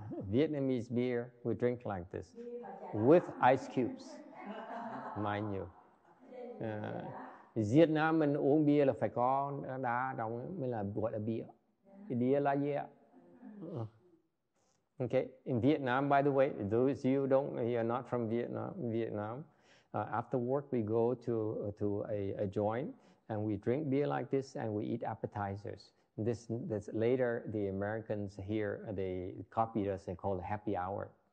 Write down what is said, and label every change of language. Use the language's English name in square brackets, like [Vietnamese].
[English] Vietnamese beer we drink like this with ice cubes, mind you. [Vietnamese] Việt Nam mình uống bia là phải có đá trong mới là gọi là bia. Bia là gì ạ? [English] Okay, in Vietnam, by the way, those of you you're not from Vietnam. After work, we go to a joint and we drink beer like this and we eat appetizers. This later the Americans here they copied us and called happy hour.